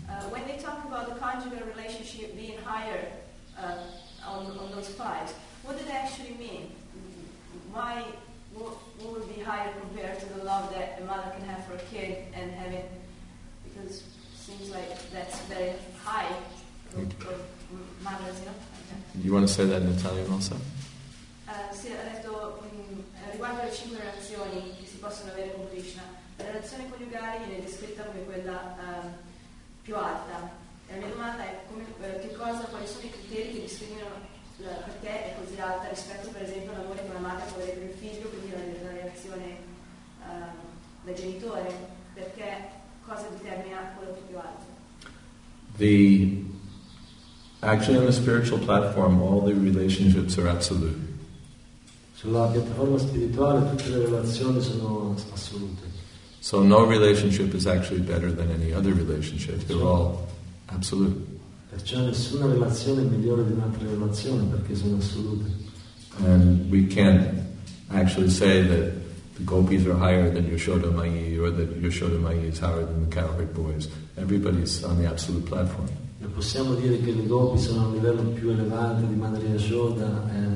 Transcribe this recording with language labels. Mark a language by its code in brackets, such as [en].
[en] When they talk about the conjugal relationship being higher on those five, what do they actually mean? Why, what would be higher compared to the love that a mother can have for a kid and having, because it seems like that's very high for mothers, you know? Okay. You want to say that in Italian also? [it] Sì, ha detto riguardo alle cinque relazioni che si possono avere con Krishna, la relazione coniugale viene descritta come quella più alta. E la mia domanda è quali sono i criteri che discriminano perché è così alta rispetto per esempio all'amore che una madre può avere per il figlio, quindi la reazione del genitore, perché cosa determina quello più alto? [en] Actually on the spiritual platform all the relationships are absolute. [it] Sulla piattaforma spirituale tutte le relazioni sono assolute. [en] So no relationship is actually better than any other relationship. They're all absolute. [it] Perciò nessuna relazione è migliore di un'altra relazione perché sono assolute. [en] And we can't actually say that the gopis are higher than Yashoda Mayi or that Yashoda Mayi is higher than the cowherd boys. Everybody's on the absolute platform. [it] Non possiamo dire che le gopi sono a un livello più elevato di Madre Yashoda.